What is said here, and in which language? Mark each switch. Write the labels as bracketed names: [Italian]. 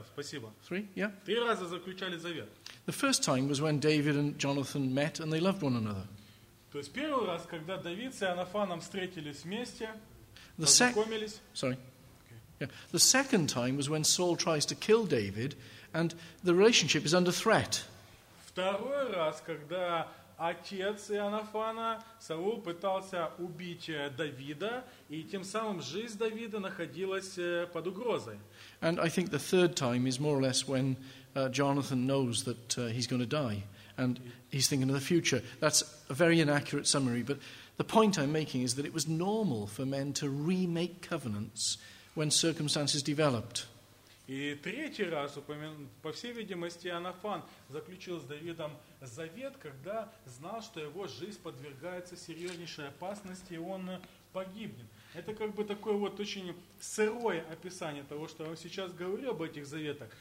[Russian] Три раза заключали завет. [English] The first time was when David and Jonathan met and they loved one another. [Russian] То есть первый раз, когда Давид с Иоаннафаном встретились вместе, познакомились. [English] The second time was when Saul tries to kill David, and the relationship is under threat. [Russian] Второй раз, когда отец Иоаннафана, Саул, пытался убить Давида, и тем самым жизнь Давида находилась под угрозой. [English] And I think the third time is more or less when Jonathan knows that he's going to die, and he's thinking of the future. That's a very inaccurate summary, but the point I'm making is that it was normal for men to remake covenants when circumstances developed. [Russian] И третий раз, по всей видимости, Иоаннафан заключил с Давидом завет, когда знал, что его жизнь подвергается серьезнейшей опасности, и он погибнет. Это как бы такое вот очень сырое описание того, что я вам сейчас говорю об этих заветах.